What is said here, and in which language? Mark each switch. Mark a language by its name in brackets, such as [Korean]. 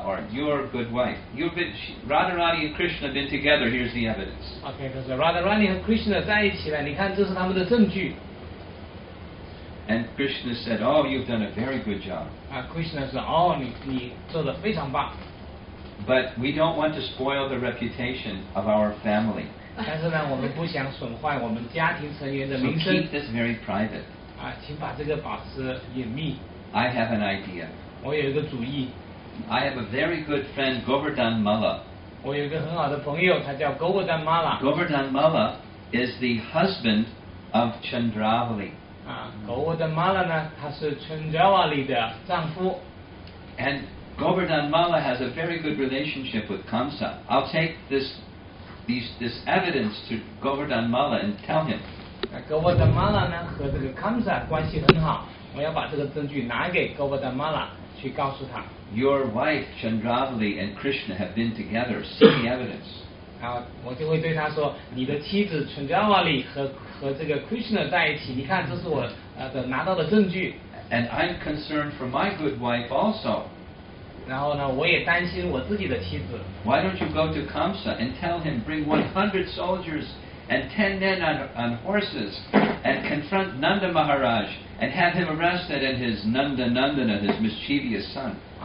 [English] Your good wife. Radharani and Krishna have been together. Here's the evidence. Okay, because Radharani and Krishna [Chinese] 在一起了，你看这是他们的证据。 [English] And Krishna said, "Oh, you've done a very good job." [Chinese] Krishna 说，哦，你做的非常棒。 [English] But we don't want to spoil the reputation of our family. [Chinese] 但是呢，我们不想损坏我们家庭成员的名声。So [English] keep this very private. [Chinese] 请把这个保持隐秘。 [English] I have an idea. [Chinese] 我有一个主意。 [English] I have a very good friend, Govardhan Mala. [Chinese] 我有一个很好的朋友，他叫Govardhan Mala. [English] Govardhan Mala is the husband of Chandravali. [Chinese] Govardhan Mala呢，他是Chandravali的丈夫。 [English] And Govardhan Mala has a very good relationship with Kamsa. I'll take this evidence to Govardhan Mala and tell him. [Chinese] Govardhan Mala呢和这个Kamsa关系很好，我要把这个证据拿给Govardhan Mala去告诉他。 [English] Your wife Chandravali and Krishna have been together. See the evidence. [Chinese] 然后我就会对他说，你的妻子Chandravali和这个Krishna在一起，你看这是我拿到的证据。 [English] And I'm concerned for my good wife also. [Chinese] 然后呢，我也担心我自己的妻子。 [English] Why don't you go to Kamsa and tell him bring 100 soldiers and 10 men on horses and confront Nanda Maharaj and have him arrested and his Nanda Nandana, his mischievous son.